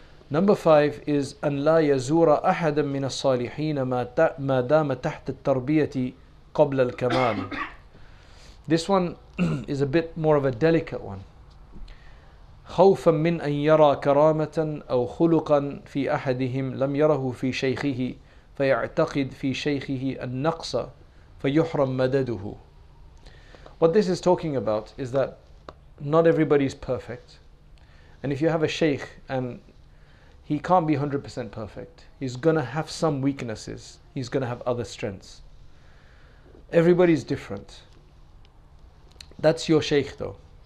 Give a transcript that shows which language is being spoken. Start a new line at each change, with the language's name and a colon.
English: Number five is
Arabic: أن لا يزور أحدا من الصالحين ما دام تحت التربية قبل الكمال.
English: This one is a bit more of a delicate one.
Arabic: خوفا من أن يرى كرامة أو خلقا في أحدهم لم يره في شيخه فيعتقد في شيخه النقص فيحرم مدده.
English: What this is talking about is that not everybody is perfect, and if you have a sheikh and he can't be 100% perfect, he's gonna have some weaknesses, he's gonna have other strengths. Everybody's different. That's your sheikh though.